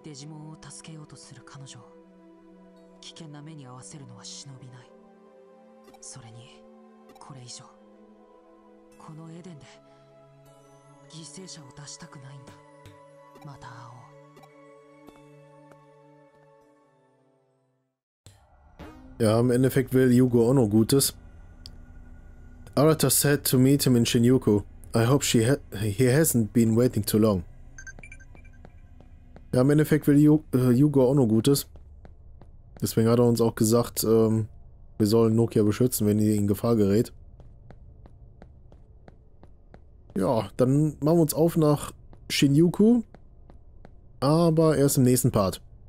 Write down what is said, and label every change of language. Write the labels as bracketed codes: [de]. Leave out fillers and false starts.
[ja] どこへ行くんだろうな。どうした？そんなに驚いた顔をして。また幽霊だとでも思ったのか？もしも彼女が本当に悪いハッカーたちと戦うことになったら、純粋にデジモンを助けようとする彼女を 危険な目に遭わせるのは忍びない。それにこのエデンで犠牲者を出したくないんだ。また会おう。 [de] Ja, im Endeffekt will Yugo auch noch Gutes. [en] Arata said to meet him in Shinjuku. I hope he hasn't been waiting too long. [de] Ja, im Endeffekt will Yugo auch noch Gutes. Deswegen hat er uns auch gesagt, wir sollen Nokia beschützen, wenn ihr in Gefahr gerät. Ja, dann machen wir uns auf nach Shinjuku. Aber erst im nächsten Part.